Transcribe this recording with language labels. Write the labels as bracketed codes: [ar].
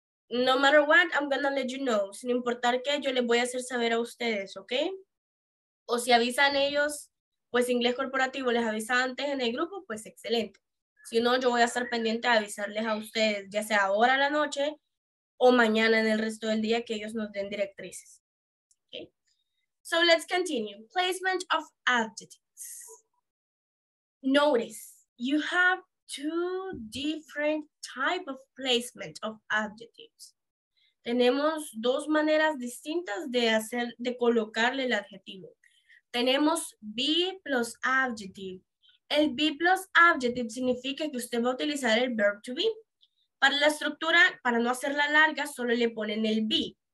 [en] No matter what, I'm gonna let you know. [es] Sin importar qué, yo les voy a hacer saber a ustedes, ¿ok? O si avisan ellos, pues Inglés Corporativo les avisa antes en el grupo, pues excelente. Si no, yo voy a estar pendiente de avisarles a ustedes, ya sea ahora a la noche o mañana en el resto del día, que ellos nos den directrices. [en] Okay. So let's continue. Placement of adjectives. Notice, you have two different types of placement of adjectives. [es] Tenemos dos maneras distintas de hacer, de colocarle el adjetivo. Tenemos be plus adjective. El be plus adjective significa que usted va a utilizar el verb to be. Para la estructura, para no hacerla larga, solo le ponen el be.